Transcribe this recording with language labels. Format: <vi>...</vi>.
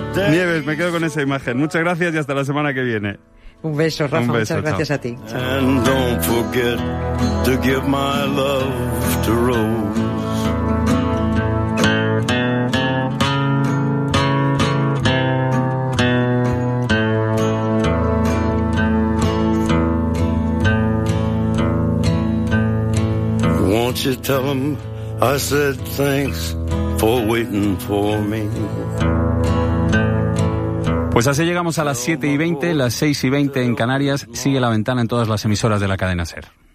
<es>Nieves, me quedo con esa imagen. Muchas gracias y hasta la semana que viene. Un beso, Rafa. Un beso, muchas gracias, chao. A ti.</es> <en>And don't forget to give my love to Rose. You tell him I said thanks for waiting for me.</en> <es>Pues así llegamos a las 7:20, las 6:20 en Canarias. Sigue La Ventana en todas las emisoras de la cadena SER.</es>